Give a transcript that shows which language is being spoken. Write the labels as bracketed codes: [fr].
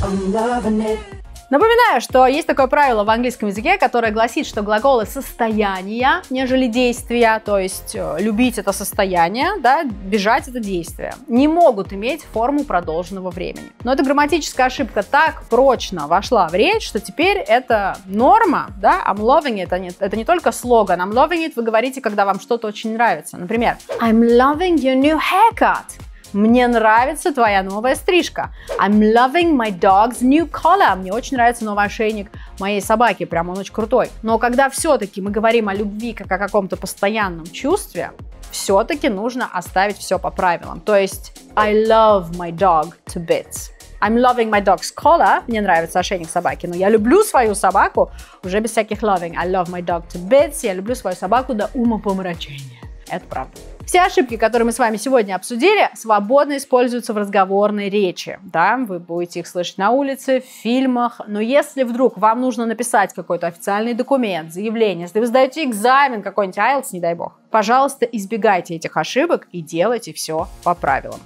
[ru] Напоминаю, что есть такое правило в английском языке, которое гласит, что глаголы состояния, нежели действия, то есть любить это состояние, да, бежать это действие, не могут иметь форму продолженного времени. Но эта грамматическая ошибка так прочно вошла в речь, что теперь это норма, да, [en] I'm loving it, [ru] это не только слоган, I'm loving it вы говорите, когда вам что-то очень нравится. Например, [en] I'm loving your new haircut. [ru] Мне нравится твоя новая стрижка. [en] I'm loving my dog's new collar. [ru] Мне очень нравится новый ошейник моей собаки. Прям он очень крутой. Но когда все-таки мы говорим о любви как о каком-то постоянном чувстве, все-таки нужно оставить все по правилам. То есть [en] I love my dog to bits. I'm loving my dog's collar. [ru] Мне нравится ошейник собаки. Но я люблю свою собаку уже без всяких loving. [en] I love my dog to bits. [ru] Я люблю свою собаку до умопомрачения. Это правда. Все ошибки, которые мы с вами сегодня обсудили, свободно используются в разговорной речи, да, вы будете их слышать на улице, в фильмах, но если вдруг вам нужно написать какой-то официальный документ, заявление, если вы сдаете экзамен какой-нибудь IELTS, не дай бог, пожалуйста, избегайте этих ошибок и делайте все по правилам.